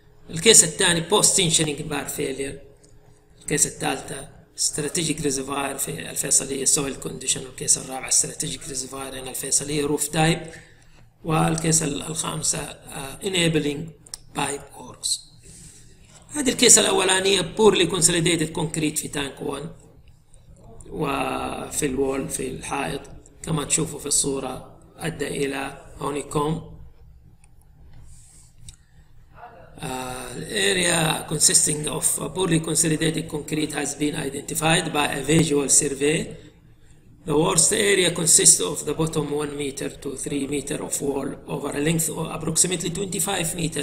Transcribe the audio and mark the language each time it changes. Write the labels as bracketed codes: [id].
[ar] الكيس الثاني [en] post tensioning bar failure. [ar] الكيس الثالثة [en] strategic reservoir [ar] في الفيصلية [en] soil condition. [ar] الكيس الرابع [en] strategic reservoir [ar] في الفيصلية [en] roof type. [ar] والكيس الخامسة [en] enabling pipe cores. [ar] هذه الكيس الأولانية [en] poorly consolidated concrete [ar] في tank 1 وفي الوول في الحائط كما تشوفوا في الصورة، أدى إلى هونيكوم. [en] Area consisting of poorly consolidated concrete has been identified by a visual survey. The worst area consists of the bottom 1 meter to 3 meter of wall over a length of approximately 25 meter.